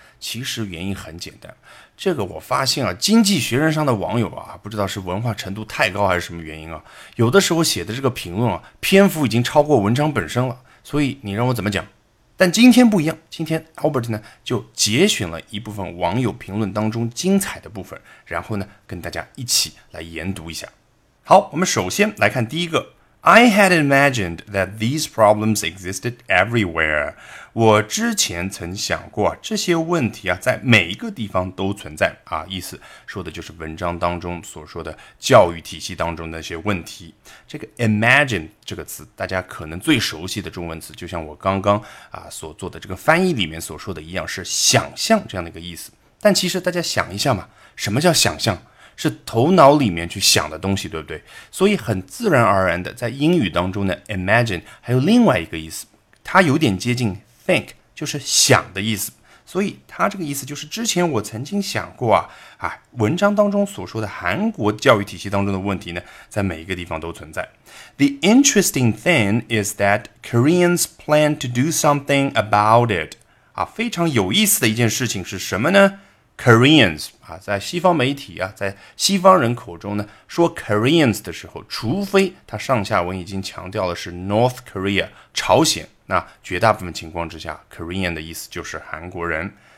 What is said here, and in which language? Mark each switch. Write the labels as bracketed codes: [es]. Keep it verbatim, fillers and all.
[zh] 其实原因很简单，这个我发现啊，《经济学人》上的网友啊，不知道是文化程度太高还是什么原因啊，有的时候写的这个评论啊，篇幅已经超过文章本身了，所以你让我怎么讲？但今天不一样，今天 Albert 呢就节选了一部分网友评论当中精彩的部分，然后呢跟大家一起来研读一下。好，我们首先来看第一个。 [en] I had imagined that these problems existed everywhere. [zh] 我之前曾想过这些问题啊，在每一个地方都存在啊，意思说的就是文章当中所说的教育体系当中的那些问题。这个 imagine 这个词，大家可能最熟悉的中文词，就像我刚刚啊所做的这个翻译里面所说的一样，是想象这样的一个意思。但其实大家想一下嘛，什么叫想象？是头脑里面去想的东西，对不对？所以很自然而然的，在英语当中呢 imagine 还有另外一个意思，它有点接近 think， 就是想的意思。所以它这个意思就是之前我曾经想过啊啊，文章当中所说的韩国教育体系当中的问题呢，在每一个地方都存在。 [en] The interesting thing is that Koreans plan to do something about it. [zh] 啊，非常有意思的一件事情是什么呢？ Koreans 啊，在西方媒体啊，在西方人口中呢，说 Koreans 的时候，除非他上下文已经强调的是 North Korea 朝鲜，那绝大部分情况之下 ，Korean 的意思就是韩国人。